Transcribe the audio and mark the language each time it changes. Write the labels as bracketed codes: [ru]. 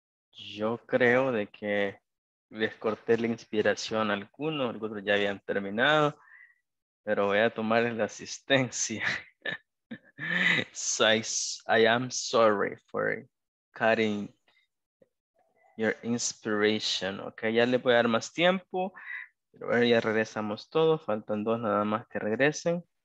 [es] yo creo de que les corté la inspiración a algunos, otros ya habían terminado, pero voy a tomar la asistencia. [en] So I am sorry for cutting your inspiration. [es] Ok, ya le voy a dar más tiempo, pero bueno, ya regresamos todos, faltan dos nada más que regresen.